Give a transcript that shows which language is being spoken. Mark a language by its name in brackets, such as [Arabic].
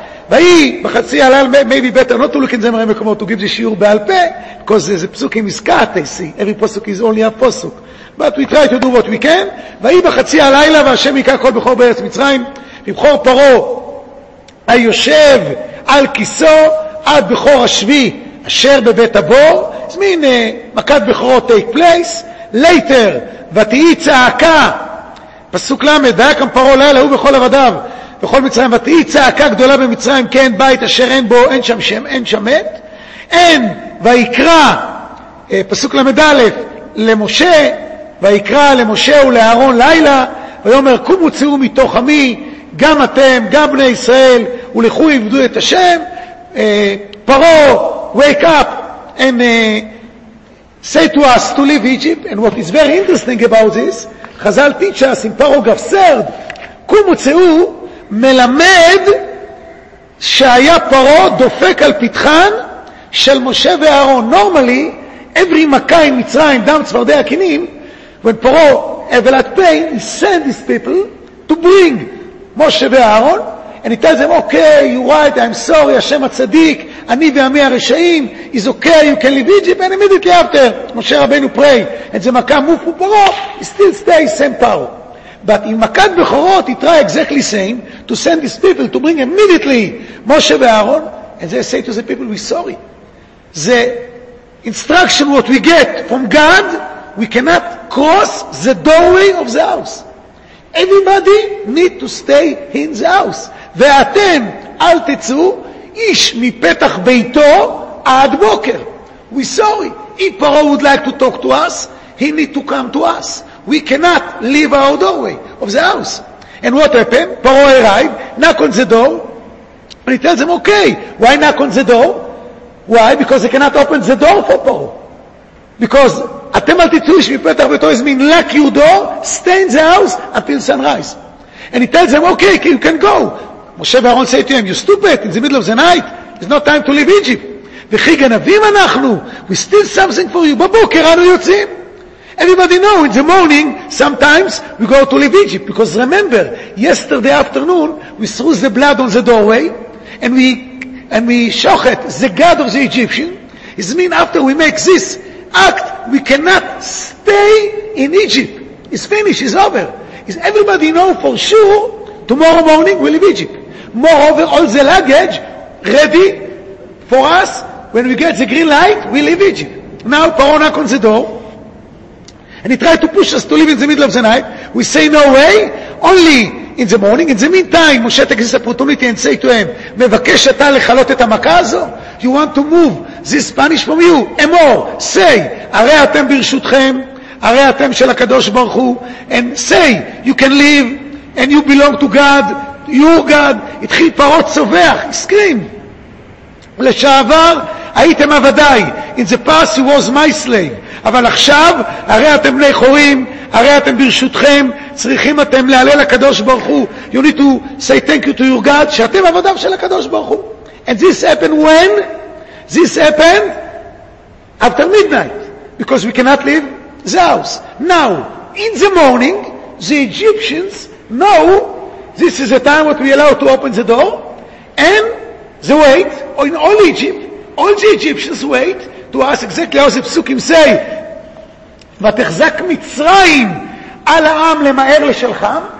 [Hebrew] ויהי בחצי הלילה, [English] maybe better not to look at [Hebrew] זה מראה מקומות, [English] to give the [Hebrew] שיעור בעל פה, [English] because the psukim is cut, I see, every posuk is only a posuk, but we try to do what we can, [Hebrew] ויהי בחצי הלילה, והשם היכה כל בכור בארץ מצרים, מבחור פרעה היושב על כיסו עד בכור השבי אשר בבית הבור, זה מין מכת בכורות [English] take place. [Hebrew] later ותהי צעקה, פסוק למד, היה כאן פרעה לילה הוא בכל עבדיו בכל מצרים, ותהי צעקה גדולה במצרים, כן בית אשר אין בו, אין שם שם, אין שם מת, אין. ויקרא, פסוק למד א', למשה, ויקרא למשה ולאהרון לילה, ויאמר קומו צאו מתוך עמי, גם אתם, גם בני ישראל, ולכו עבדו את השם. [English] פרעה, wake up and say to us to leave Egypt. And what is very interesting about this, חזל teach us in paragraph 3, [Hebrew] קומו צאו, מלמד שהיה פרעה דופק על פתחן של משה ואהרון. [English] Normally, every מכה in מצרים, [Hebrew] דם צפרדי הכינים, [English] when פרעה have a lot of pain, he send his people to bring משה ואהרון, and he tells them, okay, you're right, I'm sorry, [Hebrew] השם הצדיק, אני ועמי הרשעים, [English] it's okay, you can leave Egypt, and immediately after, משה רבנו pray, and זה מכה move for פרעה, he still stays same power. But in מכת בכורות, he try exactly same, to send his people, to bring immediately משה ואהרון, and they say to the people, we're sorry. The instruction what we get from God, we cannot cross the doorway of the house. Everybody need to stay in the house. [Hebrew] ואתם, אל תצאו, איש מפתח ביתו עד בוקר. [English] We're sorry. If Paro would like to talk to us, he need to come to us. We cannot leave our doorway of the house. And what happened? Paro arrived, knock on the door, and he tells them, okay, why knock on the door? Why? Because they cannot open the door for Paro. Because [Hebrew] אתם אל תצאו איש מפתח ביתו, [English] is mean lock your door, stay in the house until sunrise. And he tells them, okay, you can go. משה ואהרון say to him, you stupid, in the middle of the night, it's not time to leave Egypt. [Hebrew] וכי גנבים אנחנו, [English] we steal something for you, [Hebrew] בבוקר אנו יוצאים. [English] Everybody know, in the morning, sometimes we go to leave Egypt, because remember, yesterday afternoon, we threw the blood on the doorway, and we shochet the God of the Egyptian. It means after we make this act, we cannot stay in Egypt. It's finished, it's over. It's everybody know for sure, tomorrow morning we leave Egypt. Moreover, all the luggage ready for us, when we get the green light, we leave Egypt. Now, Paro knock on the door, and he tried to push us to leave in the middle of the night. We say, no way, only in the morning. In the meantime, Moshe takes this opportunity and say to him, [Hebrew] מבקש אתה לחלות את המכה הזו? [English] You want to move this punish from you? אמור, say, [Hebrew] הרי אתם ברשותכם, הרי אתם של הקדוש ברוך הוא, [English] and say, you can live, and you belong to God, your God. [Hebrew] התחיל פרות צובח, [English] he screamed. [Hebrew] לשעבר, הייתם עבדי. [English] In the past, he was my slave. [Hebrew] אבל עכשיו, הרי אתם בני חורים, הרי אתם ברשותכם, צריכים אתם להלל הקדוש ברוך הוא. [English] You need to say thank you to your God, [Hebrew] שאתם עבדיו של הקדוש ברוך הוא. [English] And this happened when? This happened after midnight. Because we cannot leave the house. Now, in the morning, the Egyptians know this is the time that we allow to open the door. And they wait in all Egypt. All the Egyptians wait to ask exactly how the psukim say. [Hebrew] ותחזק מצרים על העם למהר לשלחם.